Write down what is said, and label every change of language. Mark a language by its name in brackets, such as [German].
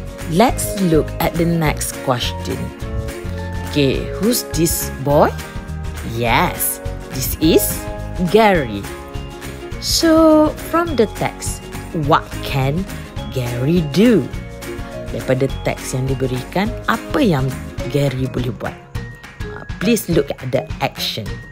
[English] Let's look at the next question. Okay, who's this boy? Yes, this is Gary. So, from the text, what can Gary do? [Malay] Daripada teks yang diberikan, apa yang Gary boleh buat? [English] Please look at the action.